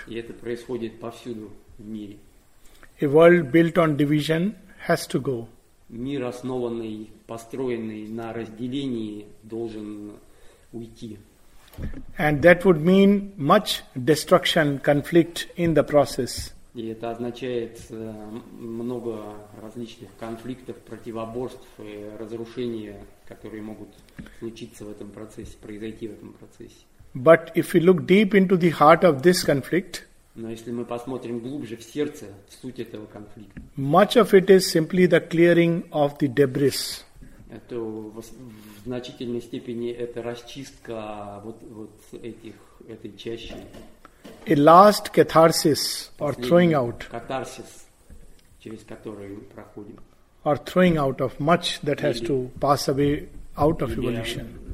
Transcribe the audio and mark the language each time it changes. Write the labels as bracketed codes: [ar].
[ru] И это происходит повсюду в мире. [en] A world built on division has to go. [ru] Мир, основанный, построенный на разделении, должен уйти. [en] And that would mean much destruction, conflict in the process. [ru] И это означает много различных конфликтов, противоборств и разрушения, которые могут случиться в этом процессе, произойти в этом процессе. [en] But if we look deep into the heart of this conflict, [ru] но если мы посмотрим глубже в сердце, в суть этого конфликта, [en] much of it is simply the clearing of the debris. [ru] Это в значительной степени это расчистка вот этой чащи. [en] A last catharsis or throwing out. [ru] Катарсис, через который мы проходим. [en] Or throwing out of much that has to pass away out of evolution.